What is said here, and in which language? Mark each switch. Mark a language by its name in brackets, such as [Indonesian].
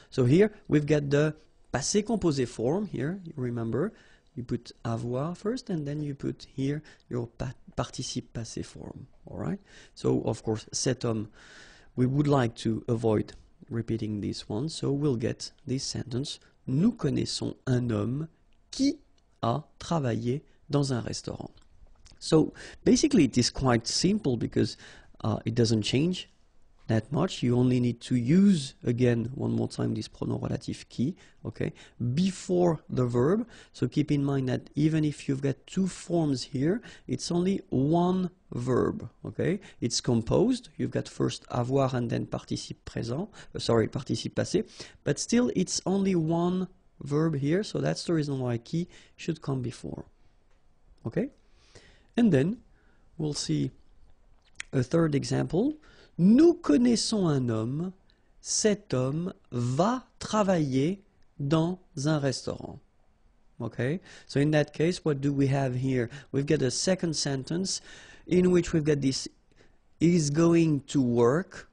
[English] So here we've got the passé composé form here. You remember, you put avoir first and then you put here your pa participe passé form. All right. So of course, [French] cet homme, [English] we would like to avoid repeating this one. So we'll get this sentence. [French] Nous connaissons un homme qui a travaillé dans un restaurant. [English] So basically, it is quite simple because it doesn't change that much. You only need to use again one more time this pronom relatif qui, okay, before the verb. So keep in mind that even if you've got two forms here, it's only one verb, okay? It's composed. You've got first avoir and then participe présent, sorry, participe passé, but still it's only one verb here, so that's the reason why qui should come before. Okay? And then we'll see a third example. [French] Nous connaissons un homme, cet homme va travailler dans un restaurant. [English] Okay? So in that case, what do we have here? We've got a second sentence in which we've got this is going to work.